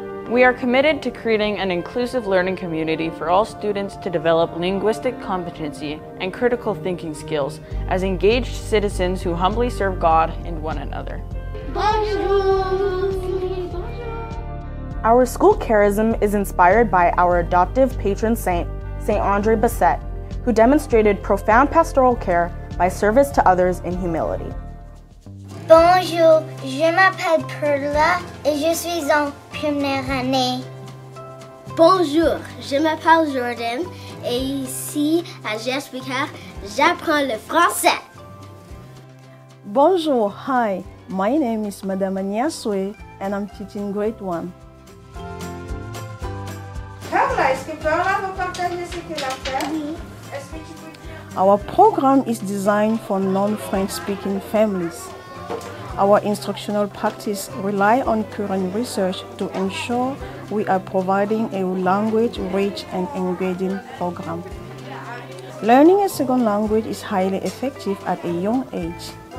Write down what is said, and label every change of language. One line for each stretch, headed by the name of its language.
English: We are committed to creating an inclusive learning community for all students to develop linguistic competency and critical thinking skills as engaged citizens who humbly serve God and one another.
French: Bonjour.
English: Our school charism is inspired by our adoptive patron saint, Saint Andre Bassett, who demonstrated profound pastoral care by service to others in humility.
French: Bonjour, je m'appelle Perla et je suis en première année. Bonjour, je m'appelle Jordan et ici à JH Picard, j'apprends le français.
English: Bonjour, hi, my name is Madame Agnasoué and I'm teaching grade 1.
French: Perla, est-ce que Perla vous partage ce qu'elle a fait? Oui.
English: Our program is designed for non-French-speaking families. Our instructional practice relies on current research to ensure we are providing a language-rich and engaging program. Learning a second language is highly effective at a young age.